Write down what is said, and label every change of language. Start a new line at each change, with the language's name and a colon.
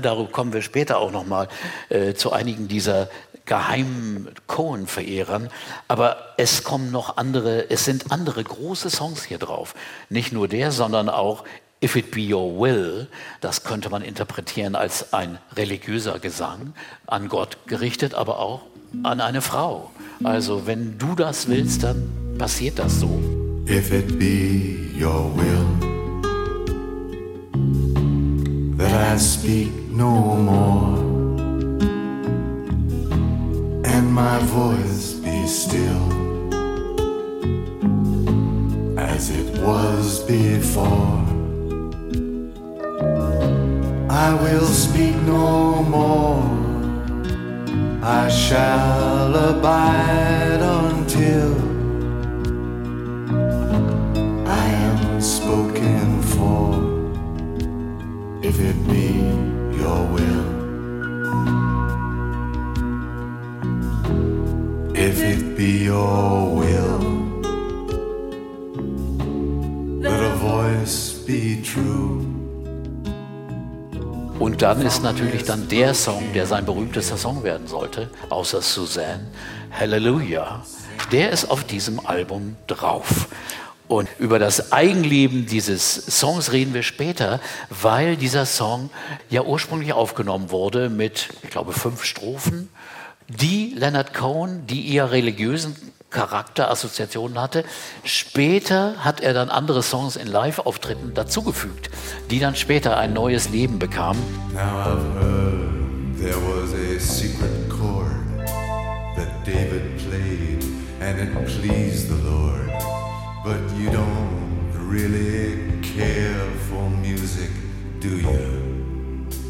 German: Darüber kommen wir später auch nochmal zu einigen dieser geheimen Cohen-Verehrern, aber es kommen noch andere, es sind andere große Songs hier drauf. Nicht nur der, sondern auch If It Be Your Will, das könnte man interpretieren als ein religiöser Gesang, an Gott gerichtet, aber auch an eine Frau. Also wenn du das willst, dann passiert das so.
English: If it be your will that I speak no more, my voice be still as it was before, I will speak no more, I shall abide until I am spoken for, if it be your will. If it be your will that a voice be true.
German: Und dann ist natürlich dann der Song, der sein berühmtester Song werden sollte, außer Suzanne, Hallelujah. Der ist auf diesem Album drauf. Und über das Eigenleben dieses Songs reden wir später, weil dieser Song ja ursprünglich aufgenommen wurde mit, ich glaube, 5 Strophen. Die Leonard Cohen, die eher religiösen Charakterassoziationen hatte, später hat er dann andere Songs in Live-Auftritten dazugefügt, die dann später ein neues Leben bekamen.
English: Now I've heard there was a secret chord that David played and it pleased the Lord. But you don't really care for music, do you?